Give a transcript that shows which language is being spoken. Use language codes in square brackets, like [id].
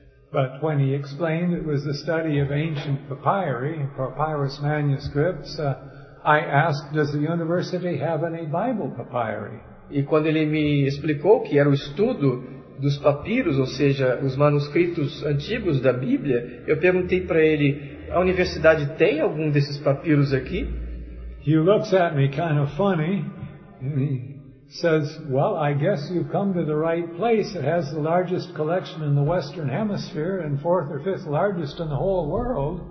[en] But when he explained it was the study of ancient papyri, papyrus manuscripts, I asked, does the university have any Bible papyri? [pt] E quando ele me explicou que era o estudo dos papiros, ou seja, os manuscritos antigos da Bíblia, eu perguntei para ele, a universidade tem algum desses papiros aqui? [en] He looks at me kind of funny, and he says, well, I guess you've come to the right place. It has the largest collection in the Western Hemisphere and fourth or fifth largest in the whole world.